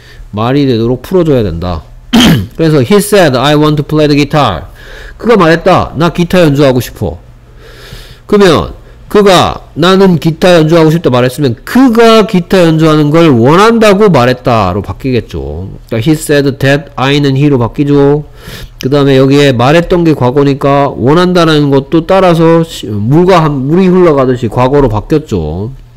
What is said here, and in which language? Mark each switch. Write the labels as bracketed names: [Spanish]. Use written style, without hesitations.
[Korean] 말이 되도록 풀어줘야 된다. 그래서 [English] he said I want to play the guitar. [Korean] 그가 말했다. 나 기타 연주하고 싶어. 그러면 그가 나는 기타 연주하고 싶다 말했으면 그가 기타 연주하는 걸 원한다고 말했다로 바뀌겠죠. 그러니까 [English] he said that I [Korean] 는 he로 바뀌죠. 그 다음에 여기에 말했던 게 과거니까 원한다는 것도 따라서 물이 흘러가듯이 과거로 바뀌었죠.